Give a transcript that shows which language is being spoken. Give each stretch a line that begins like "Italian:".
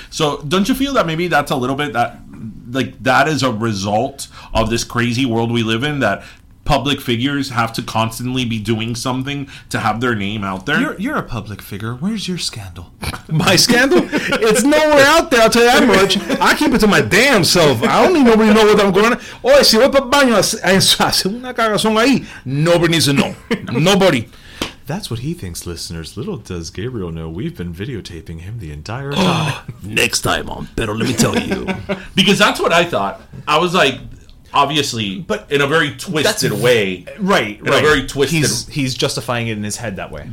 English: So don't you feel that maybe that's a little bit that, like, that is a result of this crazy world we live in, that public figures have to constantly be doing something to have their name out there? You're a public figure. Where's your scandal? My scandal? It's nowhere out there. I'll tell you that much. I keep it to my damn self. I don't need nobody to know what I'm going on.
Spanish: Oye, si voy para baño, hace una cagazón ahí.
English: Nobody needs to know. Nobody. That's what he thinks, listeners. Little does Gabriel know, we've been videotaping him the entire time. Next time on Better Let Me Tell You. Because that's what I thought. I was like, obviously, but in a very twisted way. Right, in right. A very twisted... He's justifying it in his head that way.